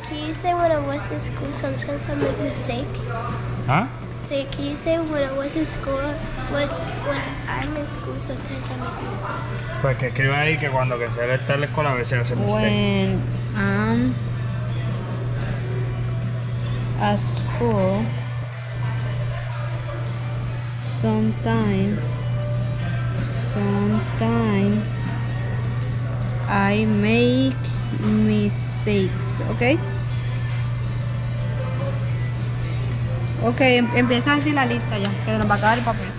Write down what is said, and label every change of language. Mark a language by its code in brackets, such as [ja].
[en] Can you say what it was in school? Sometimes I make mistakes. Huh? Say, can you say what it was in school? When I'm in school, sometimes I make mistakes. [es] Pues que escriba ahí que cuando que se le está en la escuela a veces hace mistakes. [en] When I'm at school, sometimes I make mistakes, ok. [es] Ok, empieza a decir la lista ya, que nos va a acabar el papel.